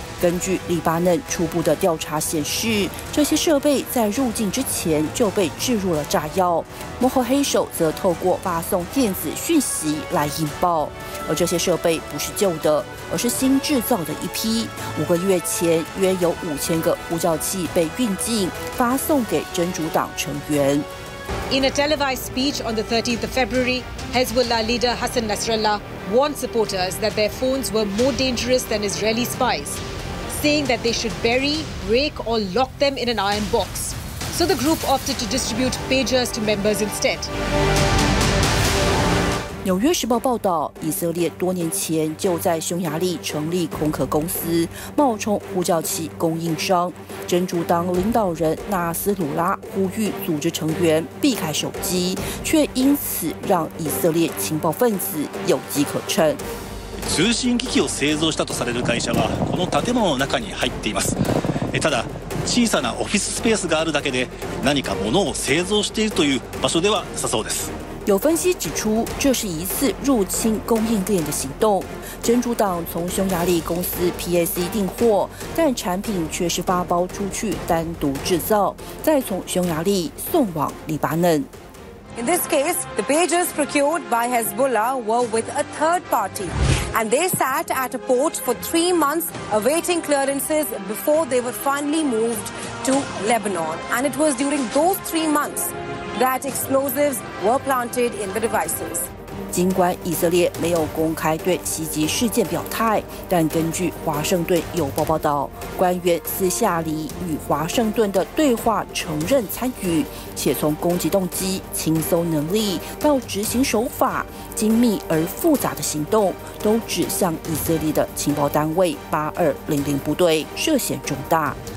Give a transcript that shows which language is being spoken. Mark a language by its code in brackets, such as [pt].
[zh] 根据黎巴嫩初步的调查显示，这些设备在入境之前就被置入了炸药，幕后黑手则透过发送电子讯息来引爆。而这些设备不是旧的，而是新制造的一批。 5个月前，约有5000个呼叫器被运进，发送给真主党成员。 [en] In a televised speech on the 13th of February, Hezbollah leader Hassan Nasrallah warned supporters that their phones were more dangerous than Israeli spies, saying that they should bury, break, or lock them in an iron box. So the group opted to distribute pagers to members instead. [zh] 《纽约时报》报道，以色列多年前就在匈牙利成立空壳公司，冒充呼叫器供应商。真主党领导人纳斯鲁拉呼吁组织成员避开手机，却因此让以色列情报分子有机可乘。 [ja] 通信機器を製造したとされる会社はこの建物の中に入っています。ただ、小さなオフィススペースがあるだけで、何か物を製造しているという場所ではなさそうです。 [zh] 有分析指出，这是一次入侵供应链的行动。真主党从匈牙利公司 PAC 订货，但产品却是发包出去单独制造，再从匈牙利送往黎巴嫩。 [en] In this case, the pagers procured by Hezbollah were with a third party, and they sat at a port for 3 months awaiting clearances before they were finally moved to Lebanon. And it was during those 3 months. That explosives were planted in the devices. [zh] 尽管以色列没有公开对袭击事件表态，但根据华盛顿邮报报道，官员私下里与华盛顿的对话承认参与，且从攻击动机、清搜能力到执行手法，精密而复杂的行动都指向以色列的情报单位8200部队涉嫌重大。